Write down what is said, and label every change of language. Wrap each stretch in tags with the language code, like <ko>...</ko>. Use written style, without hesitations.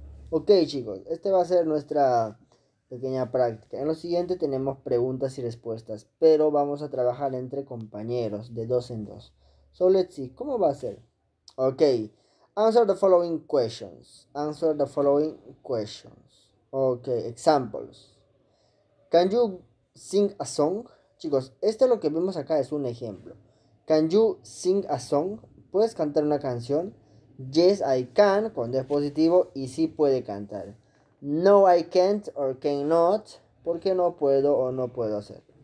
<es>Ok, chicos, este va a ser nuestra pequeña práctica. En lo siguiente tenemos preguntas y respuestas, pero vamos a trabajar entre compañeros de dos en dos.</es> <en>So let's see,</en> <es>¿cómo va a ser? Ok.</es> <en>Answer the following questions. Answer the following questions. Ok, examples. Can you sing a song?</en> <es>Chicos, esto es lo que vemos acá, es un ejemplo.</es> <en>Can you sing a song?</en> <es>¿Puedes cantar una canción?</es> <en>Yes, I can,</en> <es>cuando es positivo, y sí puede cantar.</es> <en>No, I can't or cannot,</en> <es>porque no puedo o no puedo hacer.</es>